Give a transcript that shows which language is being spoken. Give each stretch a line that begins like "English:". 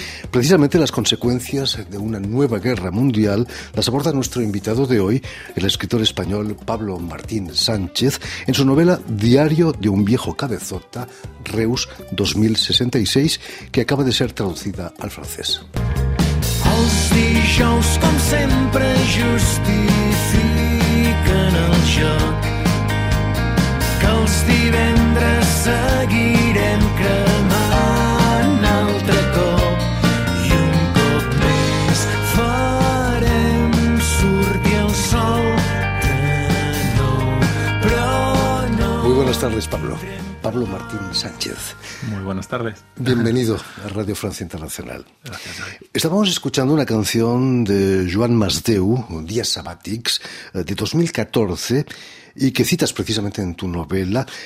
Spanish: Precisamente las consecuencias de una nueva guerra mundial las aborda nuestro invitado de hoy, el escritor español Pablo Martín Sánchez, en su novela Diario de un viejo cabezota, Reus 2066, que acaba de ser traducida al francés.
Catalan: Els dijous, com sempre, justifiquen el joc. Que els divendres seguirem cremant altre cop. I un cop més farem sortir el sol de nou. Però no...
Spanish: Muy buenas tardes, Pablo. Pablo Martín Sánchez. Muy buenas tardes. Bienvenido a Radio Francia Internacional. Gracias. Estábamos escuchando una canción de Joan Masdeu, Días Sabbatics, de 2014, y que citas precisamente en tu novela.